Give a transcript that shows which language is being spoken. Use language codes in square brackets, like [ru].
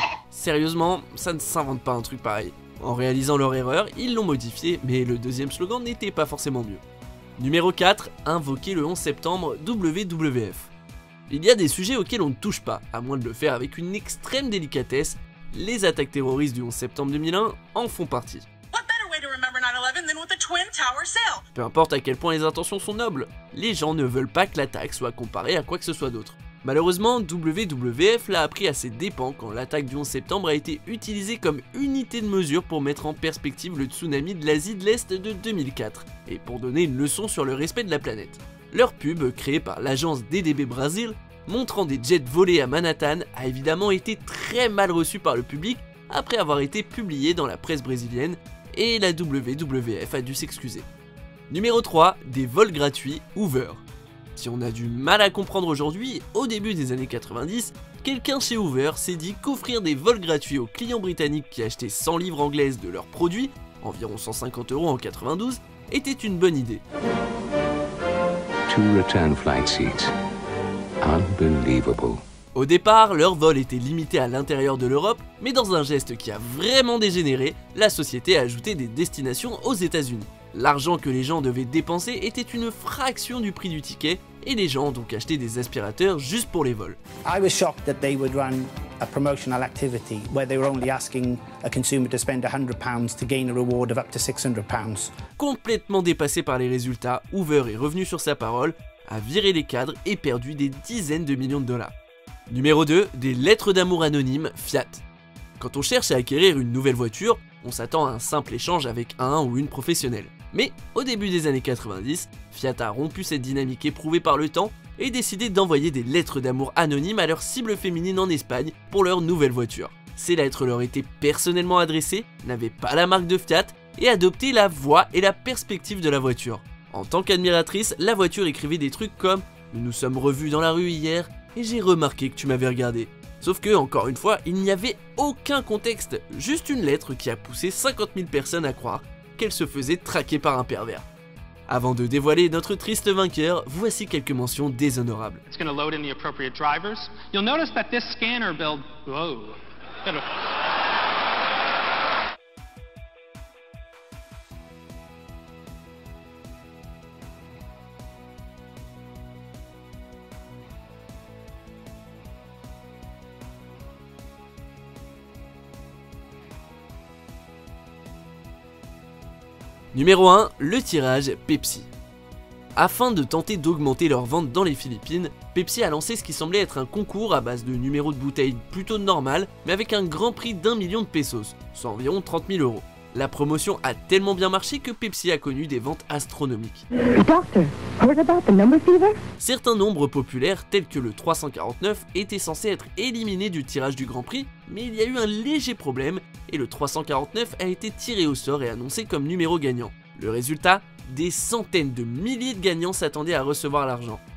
[fr] Sérieusement, ça ne s'invente pas un truc pareil. En réalisant leur erreur, ils l'ont modifié, mais le deuxième slogan n'était pas forcément mieux. Numéro 4, invoquer le 11 septembre, WWF. Il y a des sujets auxquels on ne touche pas, à moins de le faire avec une extrême délicatesse. Les attaques terroristes du 11 septembre 2001 en font partie. [en] What better way to remember 9/11 than with a Twin Tower sale? [fr] Peu importe à quel point les intentions sont nobles, les gens ne veulent pas que l'attaque soit comparée à quoi que ce soit d'autre. Malheureusement, WWF l'a appris à ses dépens quand l'attaque du 11 septembre a été utilisée comme unité de mesure pour mettre en perspective le tsunami de l'Asie de l'Est de 2004, et pour donner une leçon sur le respect de la planète. Leur pub, créée par l'agence DDB Brasil, montrant des jets volés à Manhattan, a évidemment été très mal reçue par le public après avoir été publiée dans la presse brésilienne, et la WWF a dû s'excuser. Numéro 3, des vols gratuits Hoover. Si on a du mal à comprendre aujourd'hui, au début des années 90, quelqu'un chez Hoover s'est dit qu'offrir des vols gratuits aux clients britanniques qui achetaient 100 livres anglaises de leurs produits, environ 150 euros en 92, était une bonne idée. [en] Two return flight seats. Unbelievable. [fr] Au départ, leurs vols étaient limités à l'intérieur de l'Europe, mais dans un geste qui a vraiment dégénéré, la société a ajouté des destinations aux États-Unis. L'argent que les gens devaient dépenser était une fraction du prix du ticket, et les gens ont donc acheté des aspirateurs juste pour les vols. [en] I was shocked that they would run a promotional activity where they were only asking a consumer to spend £100 to gain a reward of up to £600. [fr] Complètement dépassé par les résultats, Hoover est revenu sur sa parole, a viré les cadres et perdu des dizaines de millions de dollars. Numéro 2, des lettres d'amour anonymes Fiat. Quand on cherche à acquérir une nouvelle voiture, on s'attend à un simple échange avec un ou une professionnelle. Mais au début des années 90, Fiat a rompu cette dynamique éprouvée par le temps et décidé d'envoyer des lettres d'amour anonymes à leur cible féminine en Espagne pour leur nouvelle voiture. Ces lettres leur étaient personnellement adressées, n'avaient pas la marque de Fiat et adoptaient la voix et la perspective de la voiture. En tant qu'admiratrice, la voiture écrivait des trucs comme « Nous nous sommes revus dans la rue hier et j'ai remarqué que tu m'avais regardé ». Sauf que, encore une fois, il n'y avait aucun contexte, juste une lettre qui a poussé 50 000 personnes à croire qu'elle se faisait traquer par un pervers. Avant de dévoiler notre triste vainqueur, voici quelques mentions déshonorables. [en] It's gonna load in the appropriate drivers. You'll notice that this scanner build... Whoa. [fr] Numéro 1, le tirage Pepsi. Afin de tenter d'augmenter leurs ventes dans les Philippines, Pepsi a lancé ce qui semblait être un concours à base de numéros de bouteilles plutôt normales, mais avec un grand prix d'un million de pesos, soit environ 30 000 euros. La promotion a tellement bien marché que Pepsi a connu des ventes astronomiques. [en] Doctor, heard about the number fever? [fr] Certains nombres populaires, tels que le 349, étaient censés être éliminés du tirage du Grand Prix, mais il y a eu un léger problème et le 349 a été tiré au sort et annoncé comme numéro gagnant. Le résultat? Des centaines de milliers de gagnants s'attendaient à recevoir l'argent.